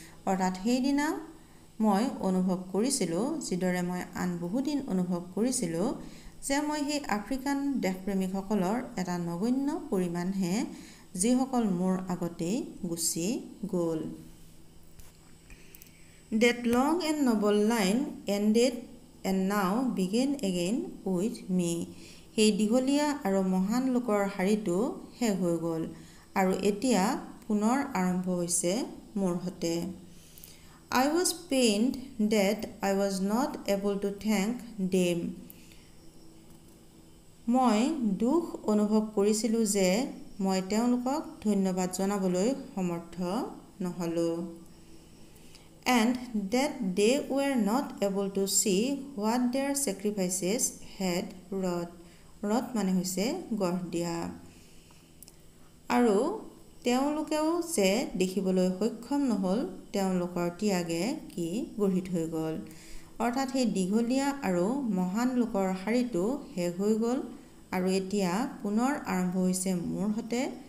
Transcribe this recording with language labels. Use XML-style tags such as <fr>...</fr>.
<as>অৰ্থাৎ সেইদিনা মই অনুভৱ কৰিছিলোঁ যিদৰে মই আন বহুদিন অনুভৱ কৰিছিলোঁ যে মই সেই আফ্ৰিকান দেশপ্ৰেমিকসকলৰ এটা নগণ্য পৰিমাণহে যিসকল মোৰ আগতেই গুচি গ'ল।</as> <en>That long and noble line ended and now began again with me.</en> <as>সেই দীঘলীয়া আৰু মহান লোকৰ শাৰীটো শেষ হৈ গ'ল আৰু এতিয়া পুনৰ আৰম্ভ হৈছে মোৰ হতে।</as> <en>I was pained that I was not able to thank them.</en> <as>মই দুখ অনুভৱ কৰিছিলোঁ যে মই তেওঁলোকক ধন্যবাদ জনাবলৈ সমৰ্থ নহ'লোঁ।</as> <en>And that they were not able to see what their sacrifices had wrought.</en> <as>Wrought মানে হৈছে গঢ় দিয়া। আৰু তেওঁলোকেও যে দেখিবলৈ সক্ষম নহ'ল তেওঁলোকৰ ত্যাগে কি গঢ়ি থৈ গ'ল। অৰ্থাৎ সেই দীঘলীয়া আৰু মহান লোকৰ শাৰীটো শেষ হৈ গ'ল আৰু এতিয়া পুনৰ আৰম্ভ হৈছে মোৰ হতে।</as>